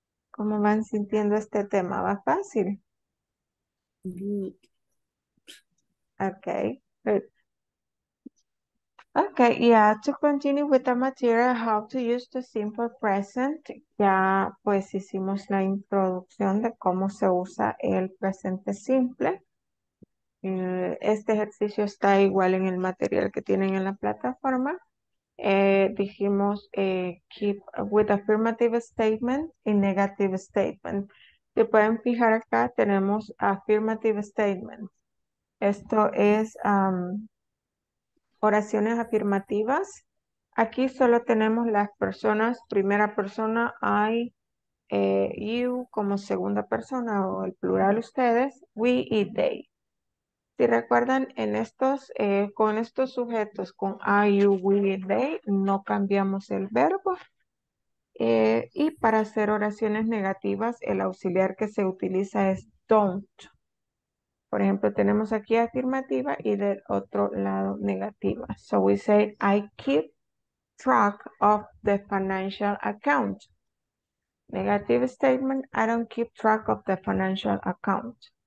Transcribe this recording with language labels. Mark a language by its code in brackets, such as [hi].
[es] ¿Cómo van sintiendo este tema? ¿Va fácil? [en] Okay, good. Okay, yeah, to continue with the material, how to use the simple present. [es] Ya, pues, hicimos la introducción de cómo se usa el presente simple. Este ejercicio está igual en el material que tienen en la plataforma. Dijimos, [en] keep with affirmative statement y negative statement. [es] Si pueden fijar acá, tenemos affirmative statement. Esto es... oraciones afirmativas. Aquí solo tenemos las personas. Primera persona, I, you, como segunda persona o el plural ustedes, we y they. Si recuerdan, en estos, con estos sujetos, con I, you, we y they, no cambiamos el verbo. Y para hacer oraciones negativas, el auxiliar que se utiliza es don't. Por ejemplo, tenemos aquí afirmativa y del otro lado negativa. [en] So we say, I keep track of the financial account. Negative statement, I don't keep track of the financial account.